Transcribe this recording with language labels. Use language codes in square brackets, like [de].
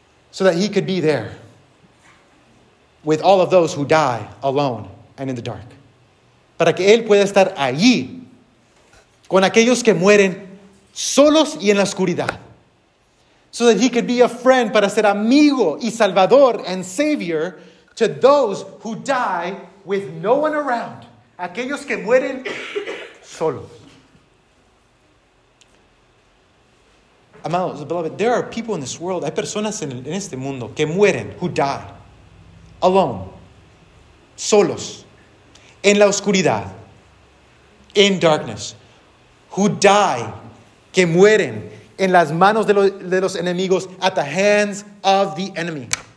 [en] So that he could be there with all of those who die alone and in the dark. [es] Para que él pueda estar allí con aquellos que mueren solos y en la oscuridad. [en] So that he could be a friend, [es] para ser amigo y salvador [en] and savior to those who die with no one around. [es] Aquellos que mueren solos. Amados, beloved, [en] there are people in this world, [es] hay personas en este mundo que mueren, [en] who die, [es] alone, solos, en la oscuridad, [en] in darkness, [es] who die, que mueren, en las manos de los enemigos, [en] at the hands of the enemy.